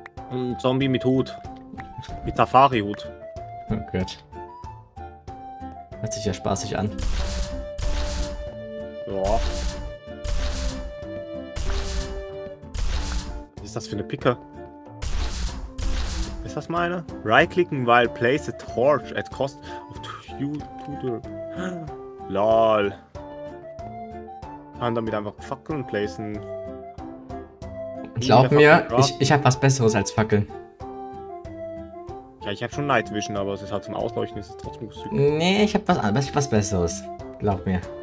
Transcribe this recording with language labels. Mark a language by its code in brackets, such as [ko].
[de] Ein Zombie mit Hut. Mit Safari-Hut. Oh Gott. Hört sich ja spaßig an. Ja. Was ist das für eine Picke? Ist das meine? [en] Right-clicken while place a torch at cost of two. Lol. [de] Kann damit einfach Fackeln placen. Glaub mir, ich hab was Besseres als Fackeln. Ja, ich hab schon Night Vision, aber es ist halt zum Ausleuchten, es ist trotzdem gut. Nee, ich hab was Besseres. Glaub mir.